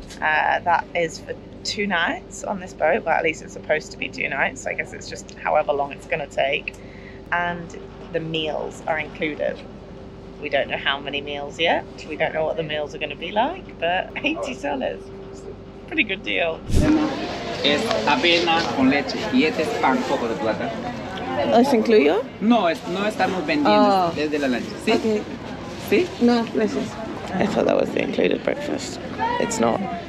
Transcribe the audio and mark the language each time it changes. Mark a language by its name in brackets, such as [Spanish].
[English] That is for 2 nights on this boat, but at least it's supposed to be 2 nights, so I guess it's just however long it's gonna take. And the meals are included. We don't know how many meals yet. We don't know what the meals are gonna be like, but 80 soles, pretty good deal. [Spanish] Es avena con leche y este es pan coco de plata. ¿Es incluido? No, no estamos vendiendo desde la lancha. ¿Sí? [English] Okay. [Spanish] ¿Sí? No, gracias. [English] I thought that was the included breakfast. It's not.